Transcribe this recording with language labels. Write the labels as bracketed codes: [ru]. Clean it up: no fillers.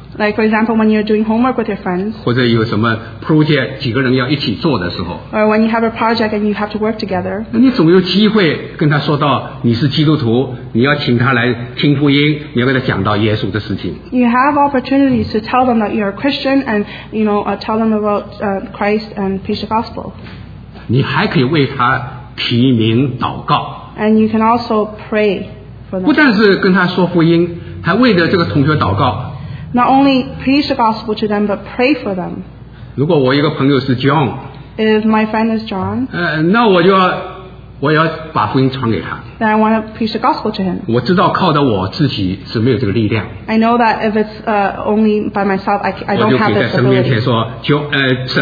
[en] like for example, when you're doing homework with your friends, [zh] 或者有什么 project 几个人要一起做的时候, [en] or when you have a project and you have to work together, [zh] 你总有机会跟他说到你是基督徒，你要请他来听福音，你要跟他讲到耶稣的事情。 [en] You have opportunities to tell them that you're a Christian and you know tell them about Christ and preach the gospel. [zh] 你还可以为他提名祷告。 [en] And you can also pray. [zh] 不但是跟他说福音，还为着这个同学祷告。 [en] Not only preach the gospel to them, but pray for them. [zh] 如果我一个朋友是 John, [en] if my friend is John, [zh] 那我要把福音传给他。 [en] Then I want to preach the gospel to him. [zh] 我知道靠着我自己是没有这个力量。 [en] I know that if it's only by myself, I don't have this ability.